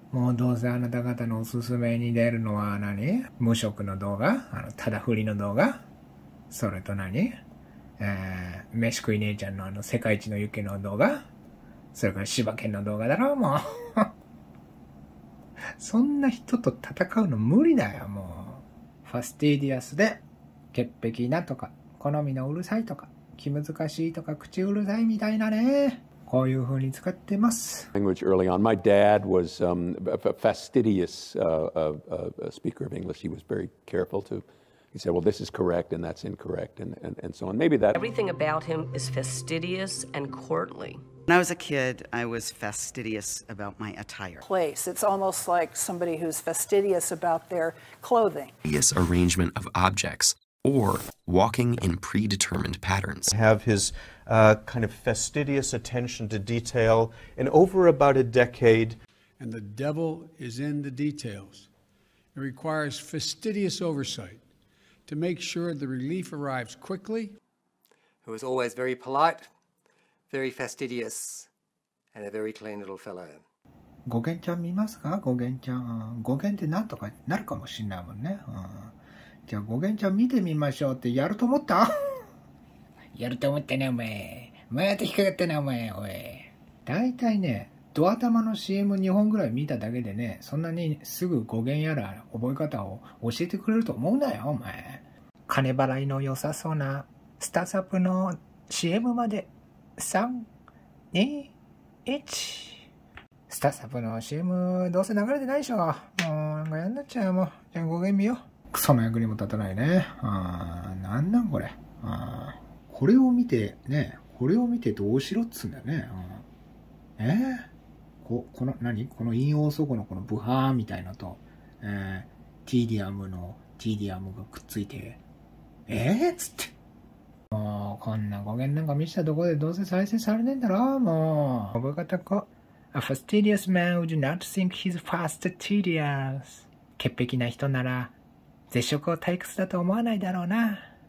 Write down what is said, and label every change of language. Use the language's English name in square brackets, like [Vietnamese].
[Japanese] もうどうせあなた方のおすすめに出るのは何、無職の動画、あのただ振りの動画、それと何、飯食い姉ちゃんのあの世界一のユケの動画、それから柴犬の動画だろうもうそんな人と戦うの無理だよ。もうファスティディアスで潔癖なとか好みのうるさいとか気難しいとか口うるさいみたいなね、こういう風に使ってます。 [English] Language early on. My dad was fastidious speaker of English. He was very careful to. He said, "Well, this is correct and that's incorrect and so on." Maybe that. Everything about him is fastidious and courtly. When I was a kid, I was fastidious about my attire. Place. It's almost like somebody who's fastidious about their clothing. Fastidious arrangement of objects or walking in predetermined patterns. Have his. Kind of fastidious attention to detail, and over about a decade. And the devil is in the details. It requires fastidious oversight to make sure the relief arrives quickly. Who was always very polite, very fastidious, and a very clean little fellow. [Japanese] Gogen ちゃん見ますか？Gogen ちゃん、Gogen ってなんとかなるかもしれないもんね。じゃあ Gogen ちゃん見てみましょうってやると思った？やると思ってね、お前。前やって引っかかってね、お前、おい。大体ね、ドア玉の CM2 本ぐらい見ただけでね、そんなにすぐ語源やら覚え方を教えてくれると思うなよ、お前。金払いの良さそうな、スタサプの CM まで、3、2、1。スタサプの CM、どうせ流れてないでしょ。もう、なんかやんなっちゃうよ、もう。じゃあ語源見よう。クソの役にも立たないね。なんなん、これ。これを見てね、これを見てどうしろっつうんだよね。うん、この何？この引用速語のこのブハーみたいなと、ティディアムのティディアムがくっついて、っつって。もうこんな語源なんか見せたところでどうせ再生されねえんだろ、もう。覚え方こう。 [English] A fastidious man would not think he's fastidious。 [Japanese] 潔癖な人なら、絶食を退屈だと思わないだろうな。